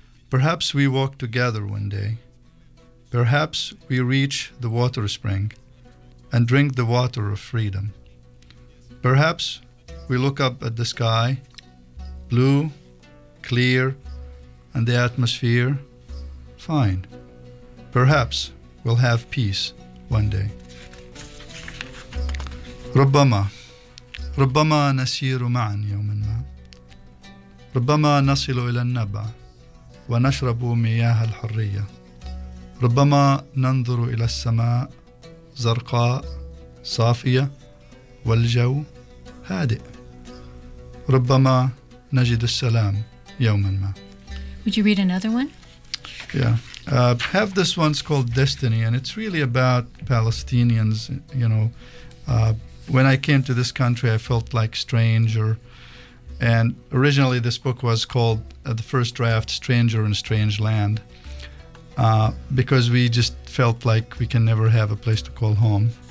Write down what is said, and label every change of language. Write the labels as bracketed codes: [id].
[en] Perhaps we walk together one day. Perhaps we reach the water spring and drink the water of freedom. Perhaps we look up at the sky, blue, clear, and the atmosphere, fine. Perhaps we'll have peace one day. [ar] ربما ربما نسير معا يوما ما ربما نصل إلى النبع ونشرب مياه الحرية ربما ننظر إلى السماء زرقاء صافية والجو هادئ ربما نجد السلام يوما ما. [en] Would you read another one? Yeah. Have this one's called Destiny, and it's really about Palestinians. You know, when I came to this country, I felt like stranger. And originally this book was called, the first draft, Stranger in a Strange Land, because we just felt like we can never have a place to call home.